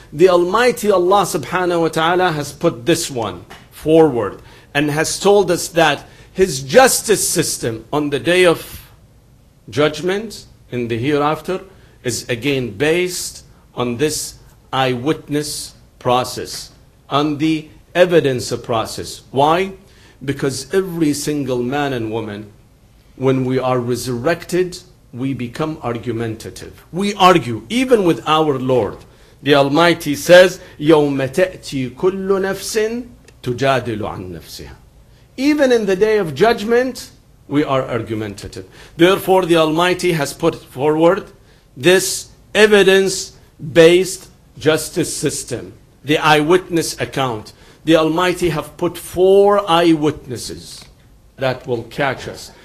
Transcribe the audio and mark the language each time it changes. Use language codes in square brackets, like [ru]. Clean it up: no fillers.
[en] The Almighty Allah subhanahu wa ta'ala has put this one forward and has told us that His justice system on the Day of Judgment in the hereafter is again based on this eyewitness process, on the evidence process. Why? Because every single man and woman, when we are resurrected, we become argumentative. We argue, even with our Lord. The Almighty says, [ar] يَوْمَ تَأْتِي كُلُّ نَفْسٍ تُجَادِلُ عَن نَفْسِهَا. [en] Even in the Day of Judgment, we are argumentative. Therefore, the Almighty has put forward this evidence-based justice system, the eyewitness account. The Almighty have put four eyewitnesses that will catch us.